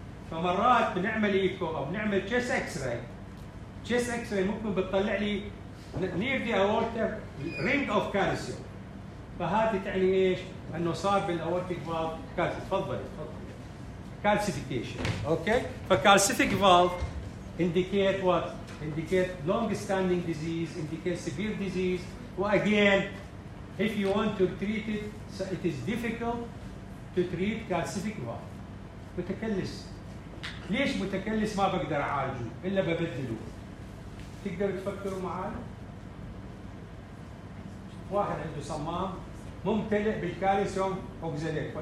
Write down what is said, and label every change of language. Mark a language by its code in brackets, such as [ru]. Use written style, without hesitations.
[ar] فمرات بنعمل إيكو أو بنعمل تشيس إكس راي، تشيس إكس راي ممكن بتطلع لي [en] near the aorta ring of calcium، [ar] فهذه تعني إيش؟ أنه صار بالأورتيك فالف كالسيوم. تفضل كالسيفيكيشن. أوكي، فكالسيفيك فالف [en] indicate what? Indicate long-standing disease, indicate severe disease. Well, again, if you want to treat it, so it is difficult to treat calcific valve. [ar] متكلس. ليش متكلس ما بقدر أعالجه إلا ببدله؟ تقدر تفكروا معي؟ واحد عنده صمام ممتلئ بالكالسيوم أوكسالات.